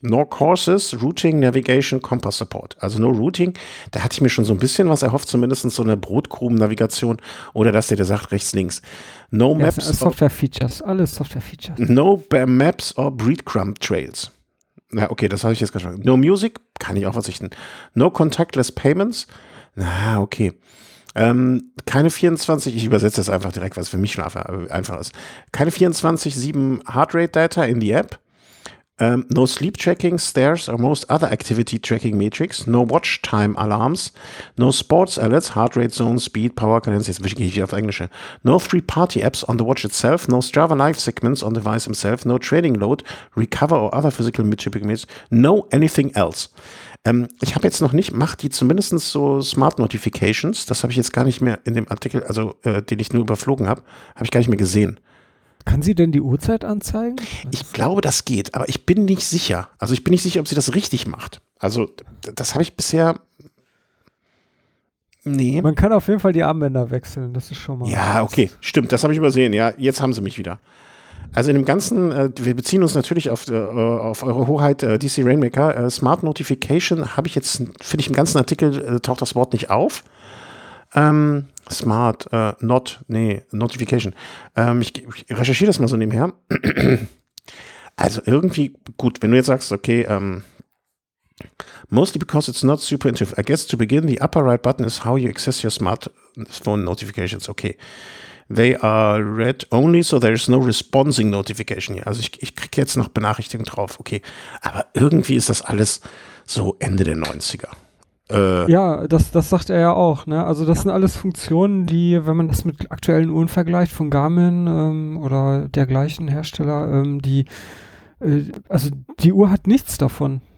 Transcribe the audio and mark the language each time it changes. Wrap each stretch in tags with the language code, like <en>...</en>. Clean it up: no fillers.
<en>No courses, routing, navigation, compass support.</en> <de>Also</de> <en>no routing,</en> <de>da hatte ich mir schon so ein bisschen was erhofft, zumindest so eine Brotgruben-Navigation oder dass der dir sagt rechts, links.</de> <en>No</en> <de>Ja, es sind</de> <en>maps</en> <de>alles</de> <en>or.</en> <de>Software-Features, alles Software-Features.</de> <en>No maps or breadcrumb trails.</en> <de>Ja, okay, das habe ich jetzt gerade schon.</de> <en>No music,</en> <de>kann ich auch verzichten.</de> <en>No contactless payments.</en> <de>Na, okay. Keine 24, ich übersetze das einfach direkt, weil es für mich schon einfach ist. Keine 24-7 Heartrate-Data in die App.</de> <en>No sleep tracking, stairs or most other activity tracking metrics. No watch time alarms. No sports alerts, heartrate zone, speed, power cadence.</en> <de>Jetzt gehe ich wieder auf Englische.</de> <en>No three party apps on the watch itself. No Strava live segments on the device itself. No training load, recover or other physical metrics. No anything else.</en> <de>Ich habe jetzt noch nicht, macht die zumindest so Smart Notifications. Das habe ich jetzt gar nicht mehr in dem Artikel, also den ich nur überflogen habe, habe ich gar nicht mehr gesehen. Kann sie denn die Uhrzeit anzeigen? Ich glaube, das geht, aber ich bin nicht sicher. Also ich bin nicht sicher, ob sie das richtig macht. Also das habe ich bisher. Nee. Man kann auf jeden Fall die Armbänder wechseln, das ist schon mal was Ja, Gutes. okay, stimmt, das habe ich übersehen. Ja, jetzt haben sie mich wieder. Also in dem Ganzen, wir beziehen uns natürlich auf eure Hoheit, DC Rainmaker. Smart Notification habe ich jetzt, finde ich, im ganzen Artikel taucht das Wort nicht auf. Smart, not, nee, Notification. Ich recherchiere das mal so nebenher. Also irgendwie, gut, wenn du jetzt sagst, okay,</de> <en>mostly because it's not super intuitive. I guess to begin, the upper right button is how you access your smart phone notifications. Okay. They are read only, so there is no responding notification here.</en> <de>Also ich kriege jetzt noch Benachrichtigungen drauf, okay. Aber irgendwie ist das alles so Ende der 90er. Ja, das sagt er ja auch, ne? Also das sind alles Funktionen, die, wenn man das mit aktuellen Uhren vergleicht von Garmin oder dergleichen Hersteller, also die Uhr hat nichts davon.</de>